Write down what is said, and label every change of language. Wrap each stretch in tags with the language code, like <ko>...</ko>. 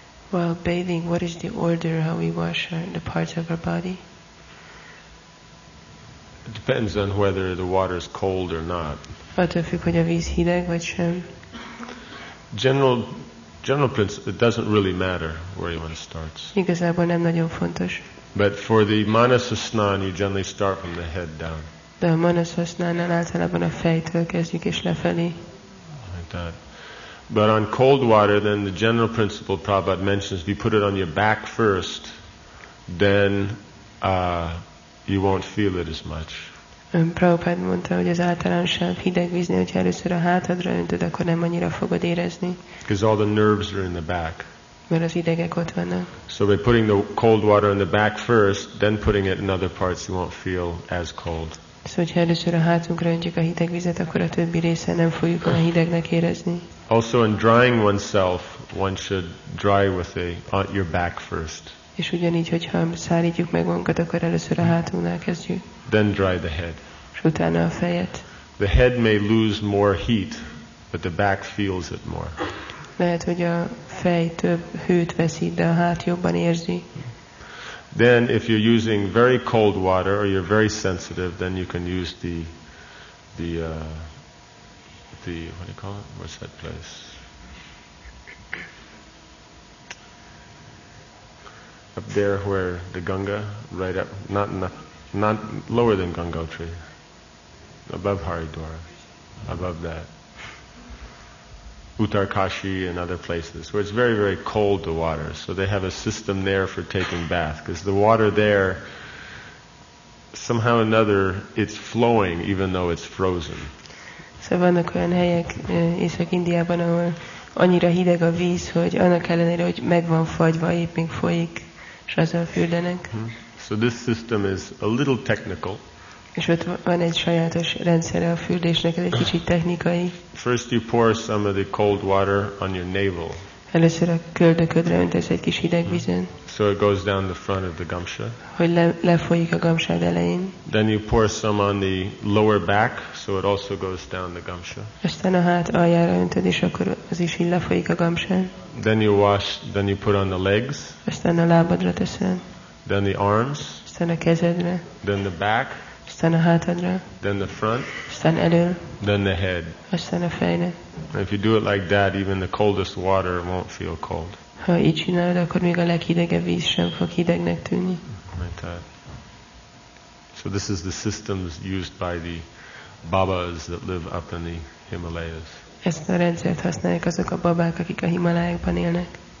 <en>While bathing, what is the order how we wash the parts of our body? It depends on whether the water is cold or not.</en> <hu>Attól függ, hogy a víz hideg vagy sem.</hu> <en>General principle, it doesn't really matter where one starts.</en> <hu>Igazából nem nagyon fontos.</hu> <en>But for the manasasnan, you generally start from the head down.</en> <hu>De a manaszasznánál általában a fejtől kezdjük és lefelé.</hu> <en>But on cold water, then the general principle Prabhupada mentions, if you put it on your back first, then you won't feel it as much.</en> <hu>Prabhupada mondta, hogy az általánosabb hideg víznél, hogyha először a hátadra öntöd, akkor nem annyira fogod érezni.</hu> <en>Because all the nerves are in the back.</en> <hu>Mert az idegek ott vannak.</hu> <en>So by putting the cold water on the back first, then putting it in other parts, you won't feel as cold.</en> <hu>Szóval, hogyha először a hátunkra öntjük a hideg vizet, akkor a többi részen nem fogjuk olyan hidegnek érezni.</hu> <en>Also in drying oneself, one should dry with your back first.</en> <hu>És ugyanígy, hogyha szárítjuk meg magunkat, akkor először a hátunknál kezdjük.</hu> <en>Then dry the head.</en> <hu>És utána a fejet.</hu> <en>The head may lose more heat, but the back feels it more.</en> <hu>Lehet, hogy a fej több hőt veszít, de a hát jobban érzi.</hu> <en>Then if you're using very cold water or you're very sensitive, then you can use the what do you call it? What's that place? Up there where the Ganga, right up, not lower than Gangotri, above Haridwara, above that. Uttarkashi and other places where it's very, very cold, the water. So they have a system there for taking bath, because the water there, somehow or another, it's flowing even though it's frozen.</en> <hu>So vannak olyan helyek Észak-Indiában, ahol annyira hideg a víz, hogy annak ellenére, hogy megvan fagyva, épp még folyik, és azzal fürdenek.</hu> <en>So this system is a little technical.</en> <hu>És ott van egy sajátos rendszere a fürdésnek, ez egy kicsit technikai.</hu> <en>First you pour some of the cold water on your navel.</en> <hu>Először a köldöködre öntesz egy kis hideg vizet.</hu> <en>So it goes down the front of the gamsha.</en> <hu>Hogy lefolyik a gamsád elején.</hu> <en>Then you pour some on the lower back, so it also goes down the gamsha.</en> <hu>Aztán a hát aljára öntöd, és akkor az is így lefolyik a gamsán.</hu> <en>Then you put on the legs.</en> <hu>Aztán a lábadra teszel.</hu> <en>Then the arms.</en> <hu>Aztán a kezedre.</hu> <en>Then the back.</en> <hu>Aztán a hátadra.</hu> <en>Then the front.</en> <hu>Aztán elől.</hu> <en>Then the head.</en> <hu>Aztán a fejre.</hu> <en>If you do it like that, even the coldest water won't feel cold.</en> <hu>Ha így csinálod, akkor még a leghidegebb víz sem fog hidegnek tűnni.</hu> <en>So this is the systems used by the babas that live up in the Himalayas.</en> <hu>Ezt a rendszert használják azok a babák, akik a Himalájában élnek.</hu>